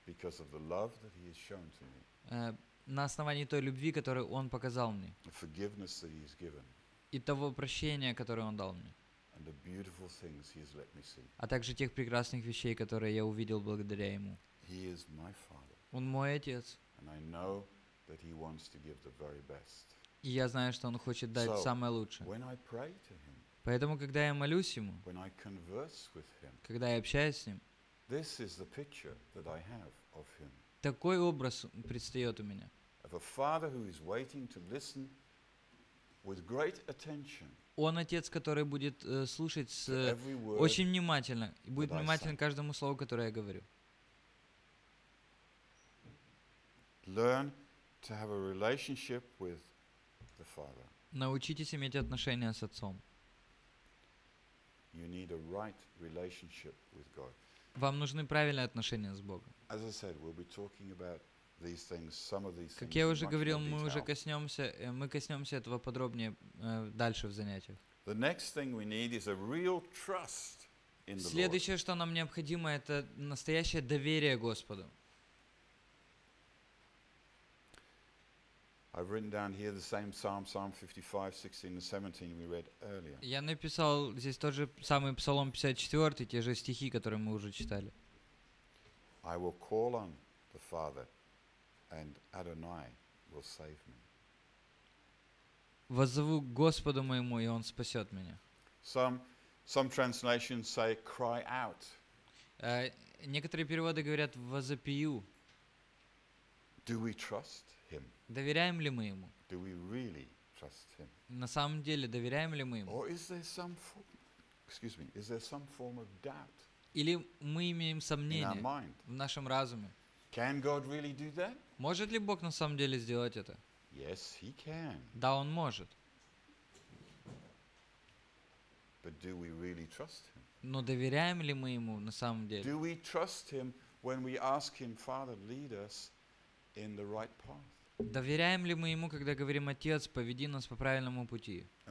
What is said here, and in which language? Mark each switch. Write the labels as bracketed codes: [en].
[en] Because of the love that He has shown to me. [ru] На основании той любви, которую Он показал мне. [en] Forgiveness that he's given. [ru] И того прощения, которое Он дал мне. [en] And the beautiful things he's let me see. [ru] А также тех прекрасных вещей, которые я увидел благодаря Ему. [en] He is my father. [ru] Он мой Отец. [en] And I know that he wants to give the very best. [ru] И я знаю, что Он хочет дать самое лучшее. [en] When I pray to him, [ru] поэтому, когда я молюсь Ему, [en] when I converse with him, [ru] когда я общаюсь с Ним, [en] this is the picture that I have of him. [ru] Такой образ предстает у меня. [en] Of a father who is waiting to listen with great attention. [ru] Он отец, который будет слушать с, очень внимательно и будет внимателен каждому слову, которое я говорю. [en] Learn to have a relationship with the Father. [ru] Научитесь иметь отношения с отцом. [en] You need a right relationship with God. [ru] Вам нужны правильные отношения с Богом. [en] As I said, we'll be talking about these things, some of these. [ru] Как я уже говорил, мы уже коснемся этого подробнее дальше в занятиях. [en] The next thing we need is a real trust in the Lord. [ru] Следующее, что нам необходимо, это настоящее доверие Господу. [en] I've written down here the same Psalm 55, 16 and 17 we read earlier. [ru] Я написал здесь тот же самый Псалом 54, те же стихи, которые мы уже читали. [en] I will call on the Father, and Adonai will save me. [ru] Воззову к Господу моему, и Он спасет меня. [en] Some translations say cry out. [ru] Некоторые переводы говорят возопию. [en] Do we trust Him? [ru] Доверяем ли мы Ему? [en] Do we really trust Him? [ru] На самом деле, доверяем ли мы Ему? [en] Or is there some form, excuse me, is there some form of doubt? [ru] Или мы имеем сомнения в нашем разуме? [en] Can God really do that? [ru] Может ли Бог на самом деле сделать это? [en] Yes, He can. [ru] Да, Он может. [en] But do we really trust Him? [ru] Но доверяем ли мы Ему на самом деле? [en] Do we trust Him when we ask Him, Father, lead us in the right path? [ru] Доверяем ли мы Ему, когда говорим «Отец, поведи нас по правильному пути»?